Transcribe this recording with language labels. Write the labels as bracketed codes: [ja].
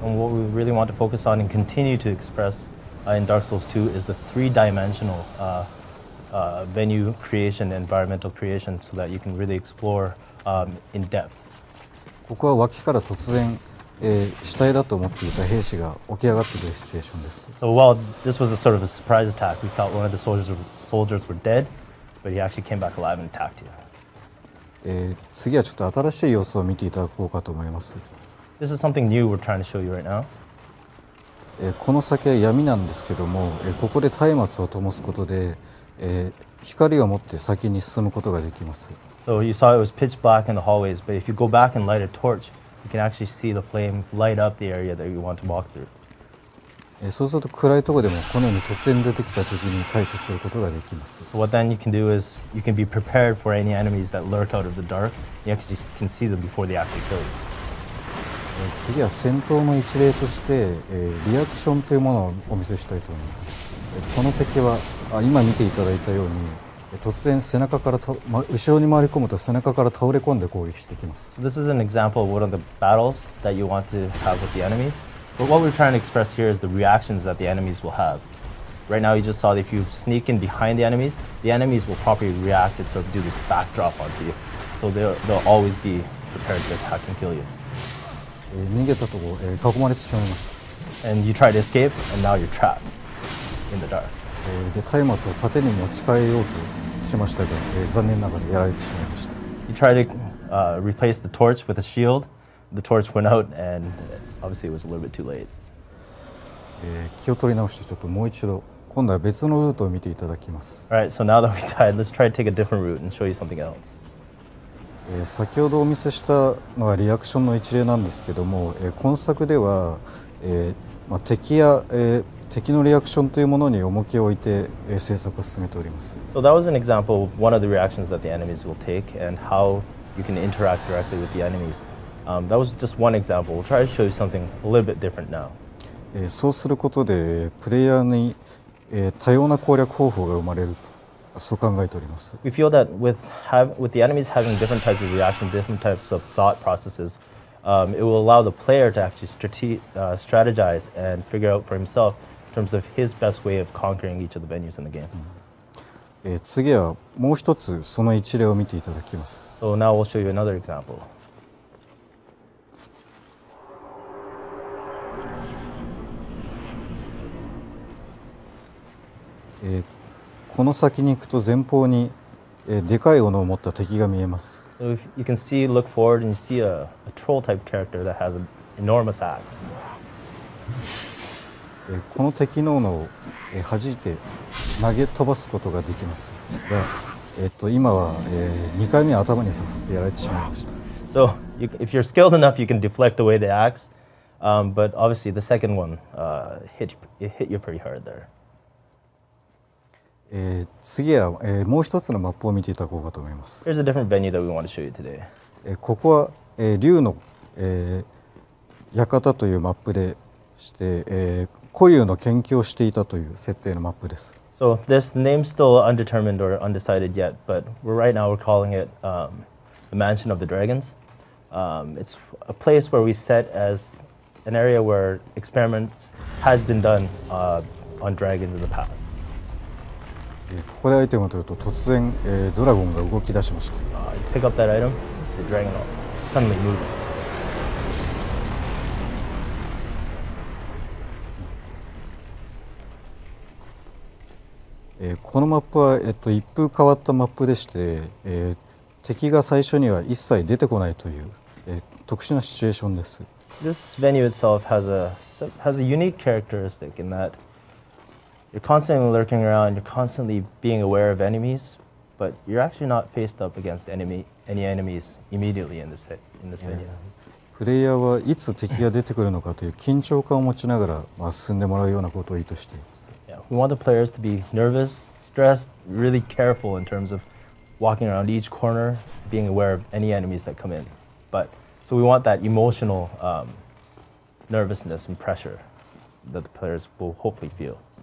[en] And what we really want to focus on and continue to express in Dark Souls 2 is the three-dimensional venue creation, environmental creation, so that you can really explore in depth. [ja] ここは脇から突然死体だと思っていた兵士が起き上がってくるシチュエーションです。 [en] So while this was a sort of a surprise attack, we thought one of the soldiers were dead, but he actually came back alive and attacked you. [ja] 次はちょっと新しい様子を見ていただこうかと思います。 [en] This is something new we're trying to show you right now. [ja] この先は闇なんですけども、ここで松明を灯すことで、光を持って先に進むことができます。 [en] So you saw it was pitch black in the hallways, but if you go back and light a torch, you can actually see the flame light up the area that you want to walk through. So what then you can do is you can be prepared for any enemies that lurk out of the dark. You actually can see them before they actually kill you. [ja] 次は戦闘の一例として、リアクションというものをお見せしたいと思います。この敵は、今見ていただいたように、突然背中から、後ろに回り込むと背中から倒れ込んで攻撃してきます。 [en] This is an example of one of the battles that you want to have with the enemies. But what we're trying to express here is the reactions that the enemies will have. Right now you just saw that if you sneak in behind the enemies will properly react and sort of do this backdrop onto you. So they'll always be prepared to attack and kill you. [ja] 逃げたとこ、囲まれてしまいました。 [en] And you try to escape, and now you're trapped in the dark. [ja] で、松明を盾に持ち替えようとしましたが、残念ながらやられてしまいました。 [en] You try to replace the torch with a shield. The torch went out, and obviously it was a little bit too late. [ja] 気を取り直して、ちょっともう一度、今度は別のルートを見ていただきます。 [en] Alright, so now that we died, let's try to take a different route and show you something else. [ja] 先ほどお見せしたのはリアクションの一例なんですけども、今作では、まあ、敵や、敵のリアクションというものに重きを置いて、制作を進めております。 [en] So that was an example of one of the reactions that the enemies will take and how you can interact directly with the enemies. That was just one example. We'll try to show you something a little bit different now. [ja] そうすることで、プレイヤーに、多様な攻略方法が生まれると。そう考えております。 [en] We feel that with the enemies having different types of reaction, different types of thought processes, it will allow the player to actually strategize and figure out for himself in terms of his best way of conquering each of the venues in the game.、 [ja] 次はもう一つその一例を見ていただきます。 [en] So now we'll show you another example. [ja] この先に行くと前方に、でかい斧を持った敵が見えます。 [en] So if you can see, look forward and you see a troll type character that has an enormous axe. [ja] この敵の斧を、弾いて投げ飛ばすことができます。が、今は、2回目頭に刺さってやられてしまいました。 [en] So you, if you're skilled enough, you can deflect away the axe. But obviously the second one, hit you pretty hard there. [ja] 次は、もう一つのマップを見ていただこうかと思います。 [en] Here's a different venue that we want to show you today. [ja] ここは、竜の、館というマップでして、古竜の研究をしていたという設定のマップです。 [en] So this name's still undetermined or undecided yet, but right now we're calling it the Mansion of the Dragons. It's a place where we set as an area where experiments had been done on dragons in the past. [ja] ここでアイテムを取ると突然、ドラゴンが動き出しました。 [en] Pick up that item. It's the dragon suddenly moving. [ja] このマップは、一風変わったマップでして、敵が最初には一切出てこないという、特殊なシチュエーションです。 [en] This venue itself has a unique characteristic in that. You're constantly lurking around, you're constantly being aware of enemies, but you're actually not faced up against any enemies immediately in this venue. [ja] プレイヤーはいつ敵が出てくるのかという緊張感を持ちながら進んでもらうようなことを意図しています。 [en] Yeah, we want the players to be nervous, stressed, really careful in terms of walking around each corner, being aware of any enemies that come in. But, so we want that emotional nervousness and pressure that the players will hopefully feel.